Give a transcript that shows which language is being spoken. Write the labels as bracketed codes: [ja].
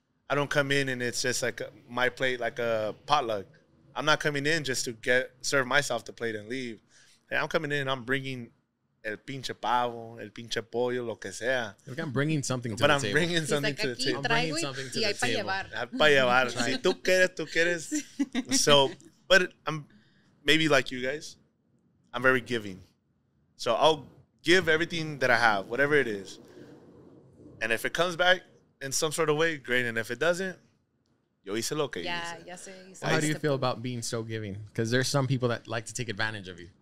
[en] I don't come in and it's just like my plate, like a potluck. I'm not coming in just to serve myself the plate and leave. And I'm coming in and I'm bringing [es] el pinche pavo, el pinche pollo, lo que sea. [en] Like, I'm bringing something to the table. But I'm bringing something to the table. I'm bringing something to the [es] table. Para llevar. Para llevar. Si tú quieres, tú quieres. [en] So, but I'm maybe like you guys, I'm very giving. So I'll give everything that I have, whatever it is. And if it comes back in some sort of way, great. And if it doesn't, [es] Yo hice lo que [en] yeah, [es] hice. Yeah, ya sé. [en] Well, how do you feel about being so giving? Because there's some people that like to take advantage of you.